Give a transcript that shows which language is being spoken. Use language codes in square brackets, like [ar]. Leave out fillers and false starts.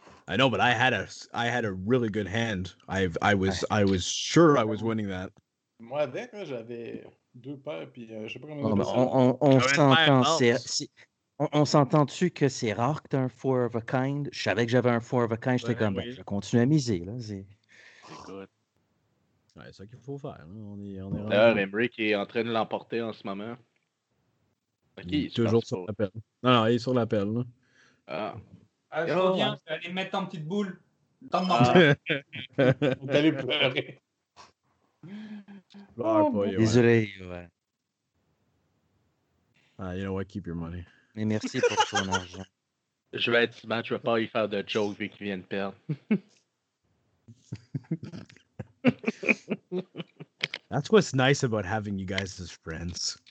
[en] I know, but I had a really good hand. I was sure I was winning that. [fr] Moi, avec, j'avais deux paires, puis je sais pas comment... On s'entend-tu que c'est rare que t'as un four of a kind? Je savais que j'avais un four of a kind, j'étais comme, oui. Je continue à miser, là, c'est... Écoute. Ouais, c'est ça qu'il faut faire. On est d'ailleurs, Emery qui est en train de l'emporter en ce moment. Okay, il est toujours sur l'appel. Non, il est sur l'appel. Là. Ah. Ah, je reviens, je vais aller mettre ton petite boule. Comme dans le. T'allais pleurer. Désolé. Ouais. [en] Ah, you know what? Keep your money. [fr] Mais merci pour ton argent. Je vais être smart, je vais pas y faire de joke vu qu'il vient de perdre. [en] That's what's nice about having you guys as friends.